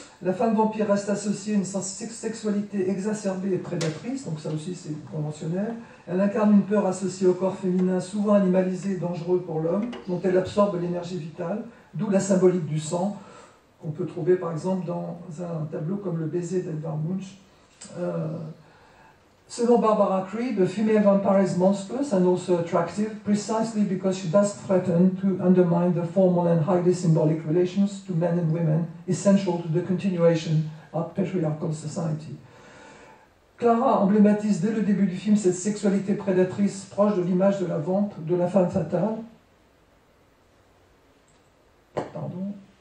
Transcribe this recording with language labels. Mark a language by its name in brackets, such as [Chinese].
[French] La femme vampire reste associée à une sexualité exacerbée et prédatrice, donc ça aussi c'est conventionnel. Elle incarne une peur associée au corps féminin, souvent animalisé et dangereux pour l'homme, dont elle absorbe l'énergie vitale, d'où la symbolique du sang, qu'on peut trouver par exemple dans un tableau comme Le baiser d'Edvard Munch. Selon [English] Barbara Cree, the female vampire is monstrous and also attractive, precisely because she does threaten to undermine the formal and highly symbolic relations to men and women, essential to the continuation of patriarchal society. [French] Clara emblématise dès le début du film cette sexualité prédatrice proche de l'image de la vampire, de la femme fatale. Pardon.